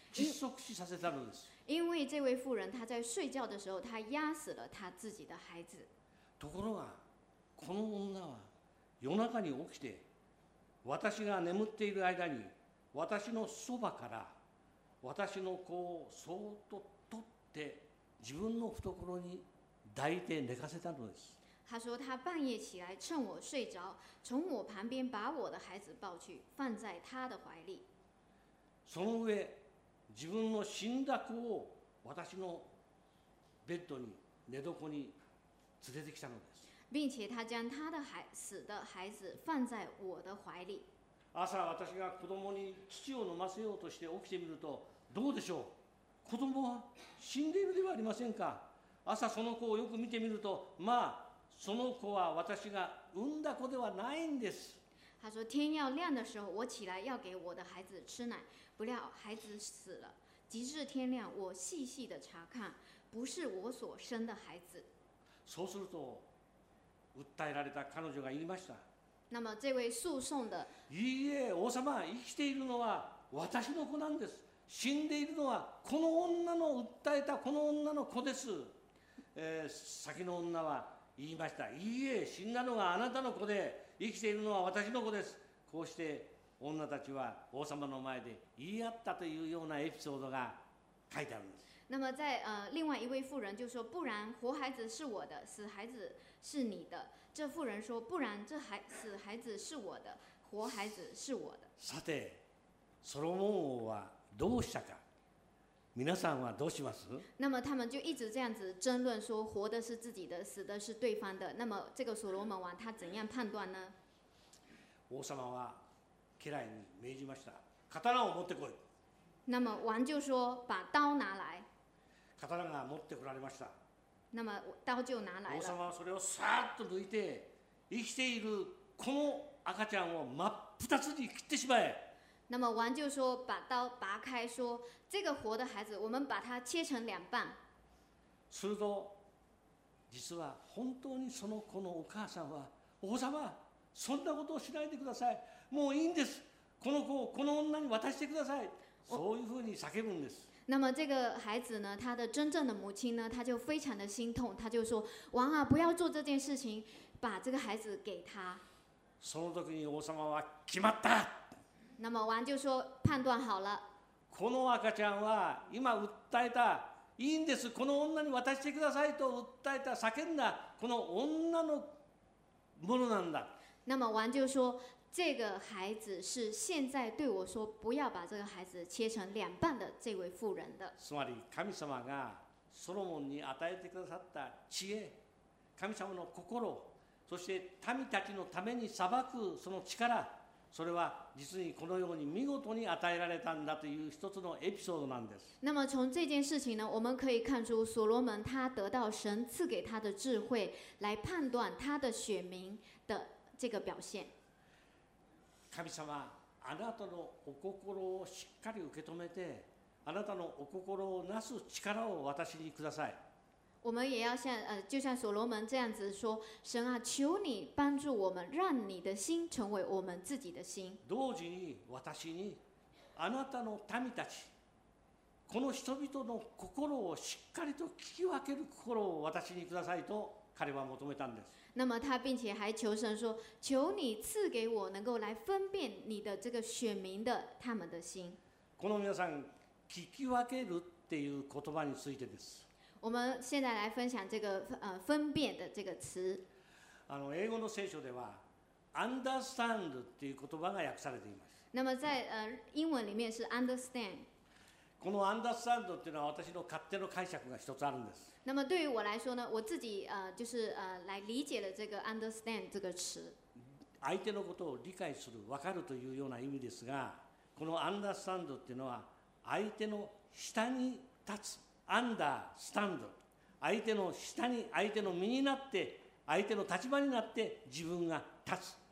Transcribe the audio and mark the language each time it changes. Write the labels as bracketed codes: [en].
[ja] 窒息死させたのです。 [zh] 因为这位妇人她在睡觉的时候，她压死了她自己的孩子。 [ja] ところが、この女は夜中に起きて、私が眠っている間に私のそばから私の子をそっと取って自分の懐に抱いて寝かせたのです。 [zh] 她说她半夜起来，趁我睡着，从我旁边把我的孩子抱去，放在她的怀里。 [ja] その上。自分の死んだ子を私のベッドに寝床に連れてきたのです。 [zh] 并且他将他的死的孩子放在我的怀里。 [ja] 朝私が子供に乳を飲ませようとして起きてみるとどうでしょう。子供は死んでいるではありませんか。朝その子をよく見てみるとまあその子は私が産んだ子ではないんです。 [zh] 他说：“天要亮的时候，我起来要给我的孩子吃奶，不料孩子死了。直至天亮，我细细的查看，不是我所生的孩子。” [ja] そうすると、訴えられた彼女が言いました。 [zh] 那么这位诉讼的， [ja] いいえ、王様、生きているのは私の子なんです。死んでいるのはこの女の訴えたこの女の子です。先の女は言いました。いいえ、死んだのがあなたの子で、生きているのは私の子です。こうして女たちは王様の前で言い合ったというようなエピソードが書いてあるんです。 [zh] 那么在另外一位妇人就说，不然活孩子是我的，死孩子是你的。这妇人说，不然这孩死孩子是我的，活孩子是我的。 [ja] さて、ソロモン王はどうしたか。皆さんはどうします？ [zh] 那么他们就一直这样子争论说，活的是自己的，死的是对方的。那么这个所罗门王他怎样判断呢？ [ja] 王様は家来に命じました。刀を持ってこい。 [zh] 那么王就说，把刀拿来。 [ja] 刀が持ってこられました。 [zh] 那么刀就拿来了。 [ja] 王様はそれをさーっと抜いて、生きているこの赤ちゃんを真っ二つに切ってしまえ。 [zh] 那么王就说，把刀拔开，说这个活的孩子，我们把它切成两半。 [ja] すると、実は本当にその子のお母さんは、王様、そんなことをしないでください。もういいんです。この子をこの女に渡してください。そういうふうに叫ぶんです。 [zh] 那么这个孩子呢，他的真正的母亲呢，他就非常的心痛，他就说：“王啊，不要做这件事情，把这个孩子给他。” [ja] その時に王様は決まった。 [zh] 那么王就说：“判断好了。” [ja] この赤ちゃんは今訴えた、いいんです、この女に渡してくださいと訴えた、叫んだこの女のものなんだ。 [zh] 那么王就说：“这个孩子是现在对我说不要把这个孩子切成两半的这位妇人的。” [ja] つまり神様がソロモンに与えてくださった知恵、神様の心、そして民たちのために裁くその力、それは実にこのように見事に与えられたんだという一つのエピソードなんです。 [zh] 那么从这件事情呢，我们可以看出所罗门他得到神赐给他的智慧来判断他的选民的这个表现。 [ja] 神様、あなたのお心をしっかり受け止めて、あなたのお心をなす力を私にください。 [zh] 我们也要像就像所罗门这样子说，神啊，求你帮助我们，让你的心成为我们自己的心。 [ja] 同時に私にあなたの民たち、この人々の心をしっかりと聞き分ける心を私にくださいと彼は求めたんです。 [zh] 那么他并且还求神说，求你赐给我能够来分辨你的这个选民的他们的心。 [ja] この皆さん、聞き分けるっていう言葉についてです。 [zh] 我们现在来分享这个分辨的这个词。 [ja] 英語の聖書では understand っていう言葉が訳されています。 [zh] 那么在英文里面是 understand。 [ja] この understand っていうのは私の勝手の解釈が一つあるんです。 [zh] 那么对于我来说呢，我自己就是来理解了这个 understand 这个词。 [ja] 相手のことを理解する、分かるというような意味ですが、この understand っていうのは相手の下に立つ。 Understand、相手の下に、相手の身になって、相手の立場になって自分が立つ。